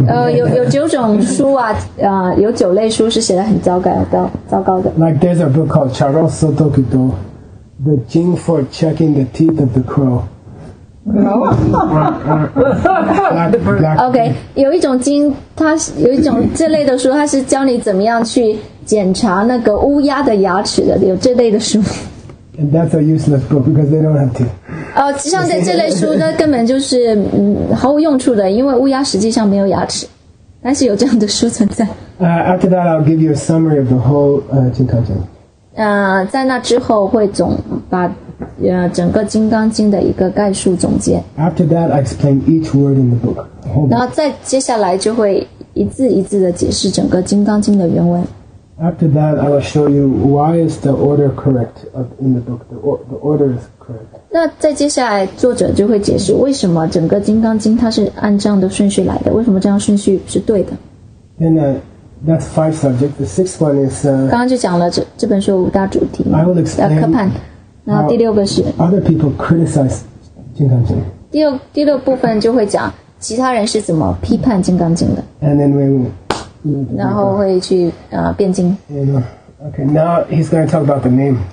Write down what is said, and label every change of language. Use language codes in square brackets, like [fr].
[zh] 有九种书啊，有九类书是写的很糟糕的。 [en] Like there's a book called Charo Sotokido, The Jing for Checking the Teeth of the Crow. No. [zh] Okay, 有一种经，它有一种这类的书，它是教你怎么样去检查那个乌鸦的牙齿的，有这类的书。 [en] And that's a useless book because they don't have teeth. [zh] 像这类书呢，根本就是毫无用处的，因为乌鸦实际上没有牙齿，但是有这样的书存在。 [en] After that, I'll give you a summary of the whole 金刚经。 [zh] 在那之后会总把整个金刚经的一个概述总结。 [en] After that, I explain each word in the book. [zh] 然后再接下来就会一字一字的解释整个金刚经的原文。 [en] After that, I will show you why is the order correct in the book. The order is correct. [zh] 那在接下来，作者就会解释为什么整个《金刚经》它是按这样的顺序来的，为什么这样顺序是对的。 [en] Then that's 5 subjects. The 6th one is [zh] 刚刚就讲了这本书五大主题。 [en] I will explain [zh] 科判。然后第六个是 [en] other people criticize 金刚经。 [zh] 第六部分就会讲其他人是怎么批判《金刚经》的。 [en] And then we will. [zh] 然后会去辩经。 [en] Okay, now he's going to talk about the name.